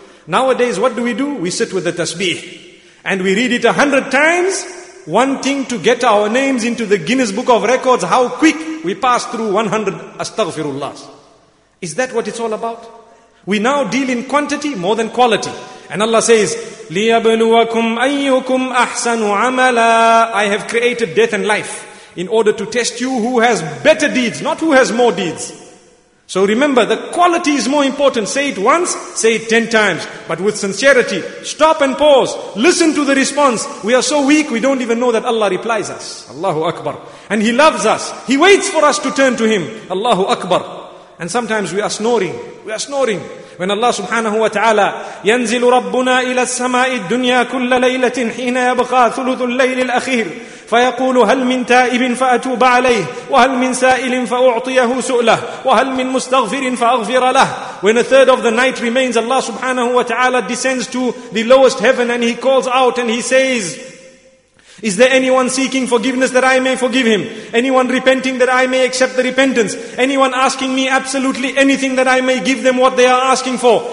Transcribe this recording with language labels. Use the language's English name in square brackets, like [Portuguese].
[English] Nowadays, what do? We sit with the tasbih. And we read it 100 times, wanting to get our names into the Guinness Book of Records, how quick we pass through 100 astaghfirullahs. Is that what it's all about? We now deal in quantity more than quality. And Allah says, [Arabic] لِيَبْلُوَكُمْ أَيُّكُمْ أَحْسَنُ عَمَلًا. [English] I have created death and life in order to test you who has better deeds, not who has more deeds. So remember, the quality is more important. Say it once, say it 10 times, but with sincerity. Stop and pause. Listen to the response. We are so weak, we don't even know that Allah replies us. Allahu Akbar. And He loves us. He waits for us to turn to Him. Allahu Akbar. And sometimes we are snoring. We are snoring. When [Arabic] Allah subhanahu wa ta'ala, يَنْزِلُ رَبُّنَا إِلَى السَّمَاءِ الدُّنْيَا كُلَّ لَيْلَةٍ حِينَ يَبْقَى ثُلُثُ اللَّيْلِ الْأَخِيرِ فَيَقُولُ هَلْ مِنْ تَائِبٍ فَأَتُوبَ عَلَيْهِ وَهَلْ مِنْ سَائِلٍ فَأُعْطِيَهُ سُؤْلَهُ وَهَلْ مِنْ مُسْتَغْفِرٍ فَأَغْفِرَ لَهُ. [English] When a third of the night remains, Allah subhanahu wa ta'ala descends to the lowest heaven and He calls out and He says, is there anyone seeking forgiveness that I may forgive him? Anyone repenting that I may accept the repentance? Anyone asking me absolutely anything that I may give them what they are asking for?